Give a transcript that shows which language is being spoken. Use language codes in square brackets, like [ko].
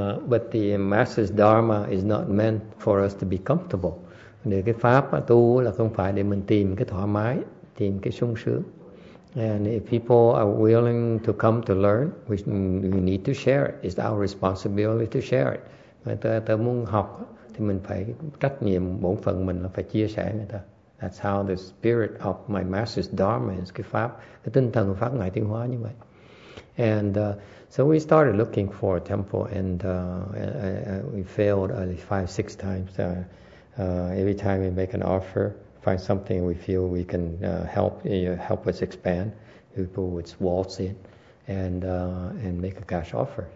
[en] But the master's dharma is not meant for us to be comfortable. [vi] Để cái pháp mà tu là không phải để mình tìm cái thoải mái, tìm cái sung sướng. [en] And if people are willing to come to learn, we need to share it. It's our responsibility to share it. [vi] Người ta tới muốn học thì mình phải trách nhiệm bổn phận mình là phải chia sẻ người ta. [en] That's how the spirit of my master's dharma is, [vi] cái pháp, cái tinh thần của pháp ngài tiến hóa như vậy. [en] And so we started looking for a temple, and we failed at least 5-6 times. Every time we make an offer, find something we feel we can help us expand, people would waltz in and make a cash offer.